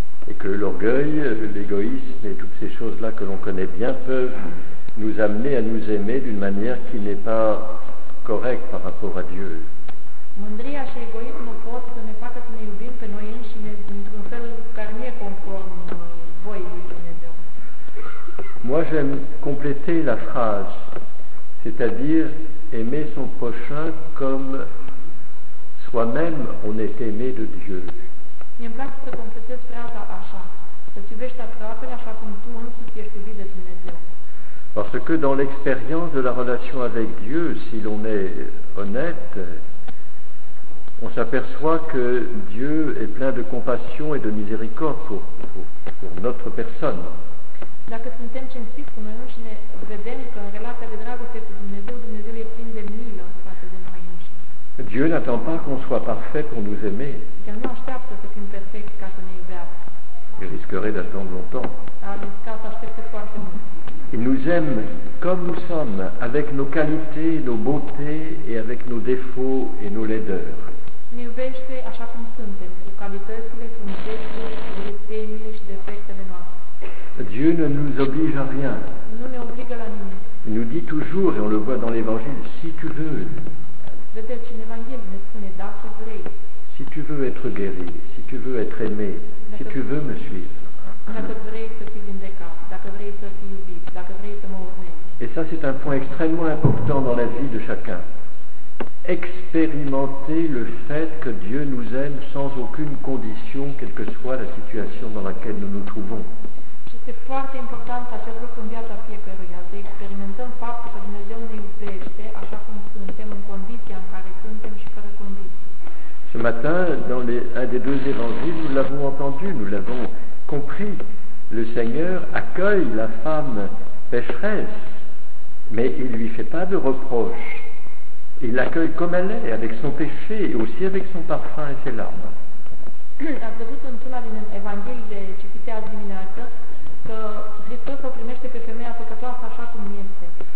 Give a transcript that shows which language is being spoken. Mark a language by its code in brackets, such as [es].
[fr] Et que l'orgueil, l'égoïsme et toutes ces choses-là que l'on connaît bien peuvent nous amener à nous aimer d'une manière qui n'est pas correcte par rapport à Dieu. [ro] Mândria și egoismul pot să ne facă să ne iubim pe noi înșine într-un fel care nu e conform voii lui Dumnezeu. [fr] Moi j'aime compléter la phrase, c'est-à-dire aimer son prochain comme soi-même on est aimé de Dieu. [ro] Mie-mi place să completez fraza așa, să-ți iubești aproapele așa cum tu însuți ești iubit de Dumnezeu. [fr] Parce que dans l'expérience de la relation avec Dieu, si l'on est honnête, on s'aperçoit que Dieu est plein de compassion et de miséricorde pour notre personne. [ro] Dacă suntem cinstiți cu noi înșine, vedem că în relația de dragoste cu Dumnezeu, Dumnezeu e plin de milă față de noi înșine. [fr] Dieu n'attend pas qu'on soit parfait pour nous aimer. [ro] El nu așteaptă să fim perfect ca să ne iubească. [fr] Il risquerait d'attendre longtemps. [ro] A riscat să aștepte foarte mult. [fr] Il nous aime comme nous sommes, avec nos qualités, nos beautés et avec nos défauts et nos laideurs. [ro] Ne iubește așa cum suntem, cu calitățile, cu lipsurile și defectele noastre. [fr] Dieu ne nous oblige à rien. [ro] Nu ne obligă la nimic. [fr] Il nous dit toujours, et on le voit dans l'Évangile, si tu veux. [ro] Vedeți, în Evanghelie ne spune, dacă vrei. [fr] Si tu veux être guéri, si tu veux être aimé, si tu veux me suivre. [ro] Dacă vrei să fii vindecat, dacă vrei să fii iubit, dacă vrei să mă urmezi. [fr] Et ça c'est un point extrêmement important dans la vie de chacun. Expérimenter le fait que Dieu nous aime sans aucune condition, quelle que soit la situation dans laquelle nous nous trouvons. [ro] Și este foarte important acest lucru în viața fiecăruia, să experimentăm faptul că Dumnezeu ne iubește așa cum suntem, în condiția în care suntem și fără condiții. [fr] Ce matin, dans un des deux évangiles, nous l'avons entendu, nous l'avons compris. Le Seigneur accueille la femme pécheresse, mais il ne lui fait pas de reproche. Il l'accueille comme elle est, avec son péché, et aussi avec son parfum et ses larmes. [ro] Ați văzut într-una din evangheliile citite azi dimineață că Hristos o primește pe femeia păcătoasă așa cum este.